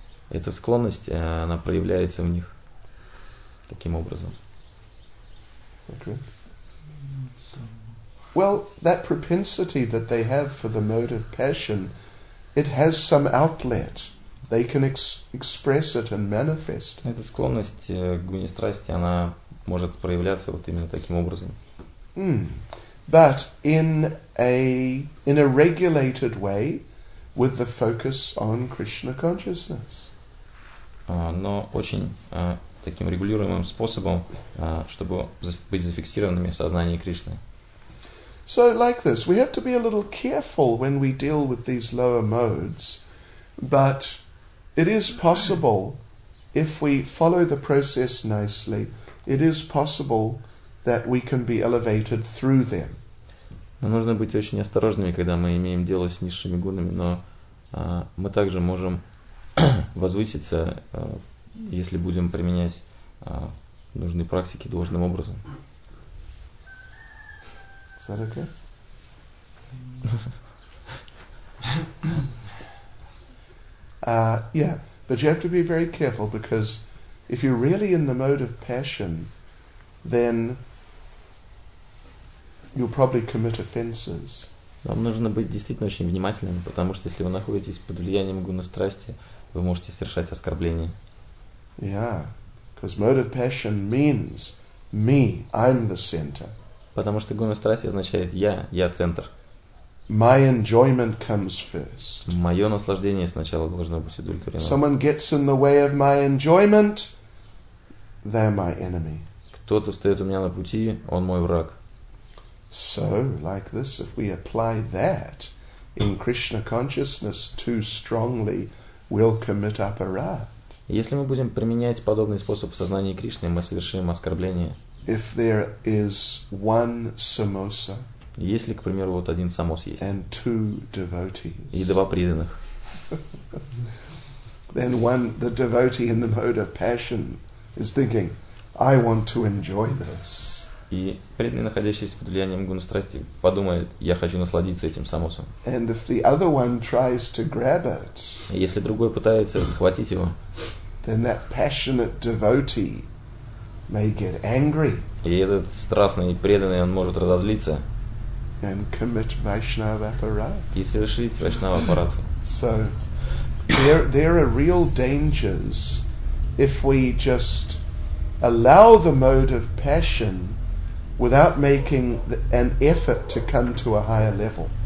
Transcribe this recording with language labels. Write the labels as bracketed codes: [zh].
[ru] Эта склонность, она проявляется в них таким образом. [en] Well, that propensity that they have for the mode of passion, it has some outlet. They can express it and manifest. [ru] Эта склонность к гуне страсти, она может проявляться вот именно таким образом. [en] But in a regulated way, with the focus on Krishna consciousness. [ru] Но очень таким регулируемым способом, чтобы быть зафиксированными в сознании Кришны. [en] So like this, we have to be a little careful when we deal with these lower modes, but it is possible if we follow the process nicely, it is possible that we can be elevated through them. [ru] Но нужно быть очень осторожными, когда мы имеем дело с низшими гунами, но мы также можем возвыситься, если будем применять нужные практики должным образом. [en] Is that okay? yeah, but you have to be very careful because if you're really in the mode of passion, then you'll probably commit offenses. [ru] Вам нужно быть действительно очень внимательным, потому что если вы находитесь под влиянием гуны страсти, вы можете совершать оскорбление. [en] Yeah, because mode of passion means me, I'm the center. [ru] Потому что гуна страсти означает я, я центр. [en] My enjoyment comes first. [ru] Мое наслаждение сначала должно быть удовлетворено. [en] Someone gets in the way of my enjoyment, they're my enemy. [ru] Кто-то стоит у меня на пути, он мой враг. [en] So, like this, if we apply that in Krishna consciousness too strongly, we'll commit aparad. [ru] Если мы будем применять подобный способ в сознании Кришны, мы совершим оскорбление. [en] If there is one samosa, [ru] если, к примеру, вот один самос есть, [en] and two devotees, [ru] и два преданных, [en] then one, the devotee in the mode of passion is thinking, I want to enjoy this. [ru] И преданный, находящийся под влиянием гуны страсти, подумает, я хочу насладиться этим самосом. [en] And if the other one tries to grab it, [ru] если другой пытается схватить его, [en] then that passionate devotee may get angry. [ru] И этот страстный и преданный, он может разозлиться. [en] And commit Vaishnava aparad. [ru] И совершить Вайшнава аппарату. [en] So, there are real dangers if we just allow the mode of passion without making an effort to come to a higher level.